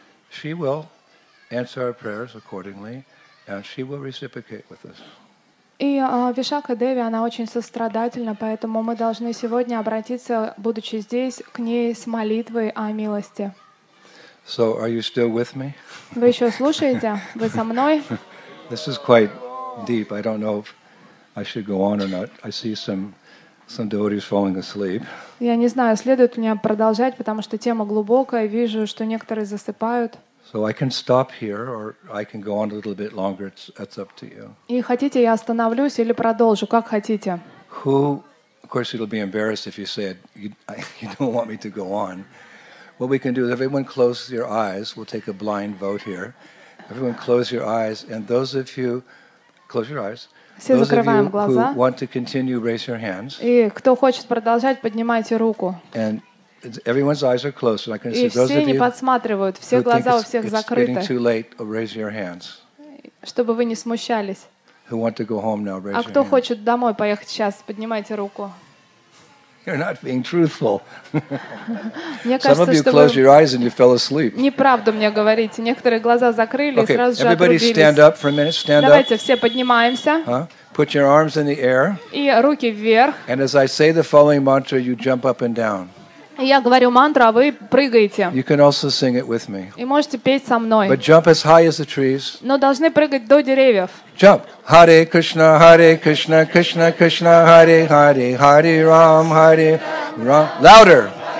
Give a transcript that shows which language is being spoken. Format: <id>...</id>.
<en>She will answer our prayers accordingly, and she will reciprocate with us.</en> <ru>И Вишакха Деви, она очень сострадательна, поэтому мы должны сегодня обратиться, будучи здесь, к ней с молитвой о милости.</ru> <en>So, are you still with me?</en> <ru>Вы еще слушаете? Вы со мной?</ru> <en>This is quite deep. I don't know if I should go on or not. I see some devotees falling asleep.</en> <ru>Я не знаю, следует ли мне продолжать, потому что тема глубокая, вижу, что некоторые засыпают.</ru> <en>So I can stop here or I can go on a little bit longer. It's up to you.</en> <ru>И хотите, я остановлюсь или продолжу, как хотите.</ru> <en>Who, of course, it'll be embarrassed if you said you don't want me to go on. What we can do is everyone close your eyes. We'll take a blind vote here. Everyone close your eyes, and those of you close your eyes.</en> <ru>Все закрываем глаза.</ru> <en>Who want to continue, raise your hands.</en> <ru>И кто хочет продолжать, поднимайте руку.</ru> <en>And everyone's eyes are closed, so I can see those of you.</en> <ru>И все не подсматривают, все глаза у всех закрыты.</ru> <en>It's getting too late, raise your hands.</en> <ru>Чтобы вы не смущались.</ru> <en>Who want to go home now, raise your hands.</en> <ru>А кто хочет домой поехать сейчас, поднимайте руку.</ru> <en>You're not being truthful.</en> <ru>Мне кажется,</ru> <en>some of you closed your eyes and you fell asleep.</en> <ru>Неправду мне говорите. Некоторые глаза закрыли и сразу же отрубились.</ru> <en>Okay, everybody stand up for a minute. Stand up.</en> <ru>Давайте все поднимаемся.</ru> <en>Put your arms in the air.</en> <ru>И руки вверх.</ru> <en>And as I say the following mantra, you jump up and down.</en> <ru>Я говорю мантру, а вы прыгаете.</ru> <en>You can also sing it with me.</en> <ru>И можете петь со мной.</ru> <en>But jump as high as the trees.</en> <ru>Но должны прыгать до деревьев.</ru> <en>Jump. Hare Krishna, Hare Krishna, Krishna Krishna, Hare Hare, Hare Ram, Hare Ram. Louder.</en>